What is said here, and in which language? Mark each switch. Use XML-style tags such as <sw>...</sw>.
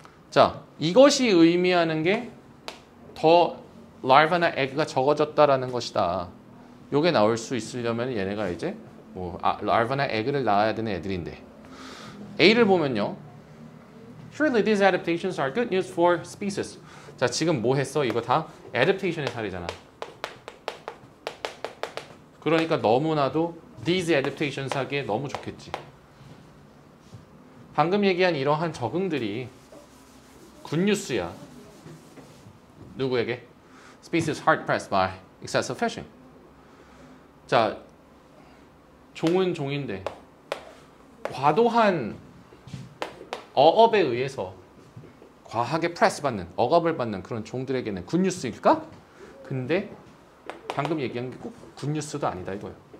<ko>자, 이것이 의미하는 게 더 larva나 egg가 적어졌다라는 것이다. 요게 나올 수 있으려면 얘네가 이제 뭐 larva나 egg를 낳아야 되는 애들인데. A를 보면요.</ko> <en>Surely these adaptations are good news for species.</en> <ko>자, 지금 뭐 했어? 이거 다 adaptation의 사례잖아. 그러니까 너무나도</ko> <en>these adaptations</en> <ko>하기에 너무 좋겠지. 방금 얘기한 이러한 적응들이</ko> <en>good news</en> <ko>야. 누구에게?</ko> <en>Species hard pressed by excessive fishing.</en> <ko>자, 종은 종인데 과도한 어업에 의해서 과하게 프레스 받는, 억압을 받는 그런 종들에게는 굿뉴스일까? 근데 방금 얘기한 게 꼭 굿뉴스도 아니다 이거예요.</ko>